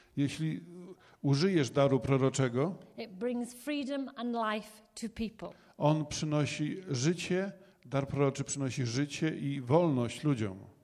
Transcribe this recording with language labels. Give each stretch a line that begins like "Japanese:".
Polish: jeśli użyjesz daru proroczego,
English: it brings freedom and life to people.
Polish: On przynosi życie, dar proroczy przynosi życie i wolność ludziom.